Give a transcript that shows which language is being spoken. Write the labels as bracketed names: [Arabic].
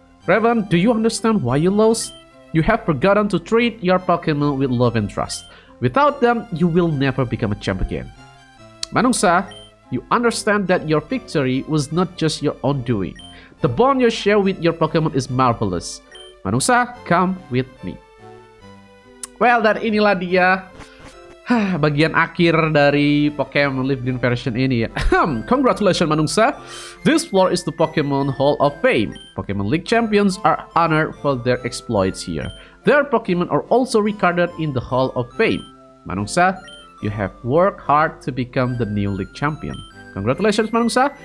[English] Raven, do you understand why you lost? You have forgotten to treat your Pokemon with love and trust. Without them, you will never become a champ again. Manungsa, you understand that your victory was not just your own doing. The bond you share with your Pokemon is marvelous. Manungsa, come with me. [Indonesian] Well, dan inilah dia bagian akhir dari Pokemon Lived In version ini ya. [English] Congratulations, Manungsa. This floor is the Pokemon Hall of Fame. Pokemon League champions are honored for their exploits here. Their Pokemon are also recorded in the Hall of Fame. Manungsa, you have worked hard to become the new League champion. Congratulations, Manungsa.